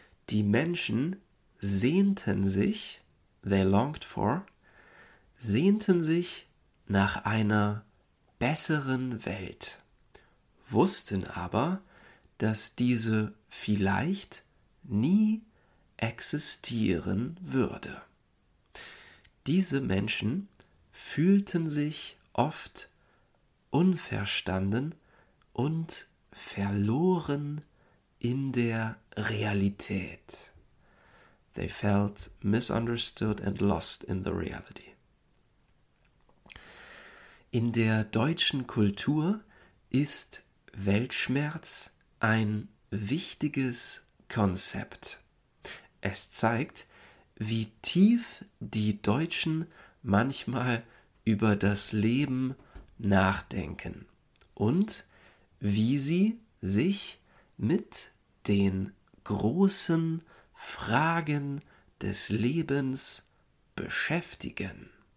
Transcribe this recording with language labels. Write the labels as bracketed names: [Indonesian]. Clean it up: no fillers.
[German] Die Menschen sehnten sich nach einer besseren Welt, wussten aber, dass diese vielleicht nie existieren würde. Diese Menschen fühlten sich oft unverstanden und verloren in der Realität. [English] They felt misunderstood and lost in the reality. [German] In der deutschen Kultur ist Weltschmerz ein wichtiges Konzept. Es zeigt, wie tief die Deutschen manchmal über das Leben nachdenken und wie sie sich mit den großen Fragen des Lebens beschäftigen.